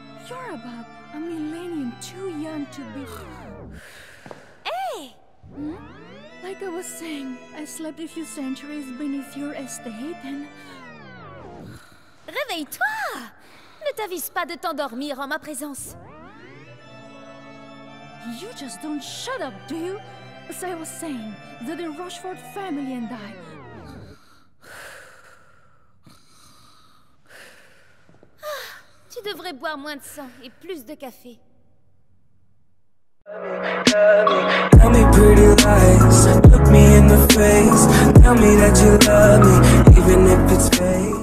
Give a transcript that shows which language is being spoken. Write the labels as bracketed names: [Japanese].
[English] You're about a millennium too young to be... Hey! Hmm? Like I was saying, I slept a few centuries beneath your estate and... [French] Réveille-toi! Ne t'avise pas de t'endormir en ma présence. [English] You just don't shut up, do you? As I was saying, the Rochefort family and I... [French] Tu devrais boire moins de sang et plus de café. [English] Tell me pretty lies, look me in the face. Tell me that you love me, even if it's fake.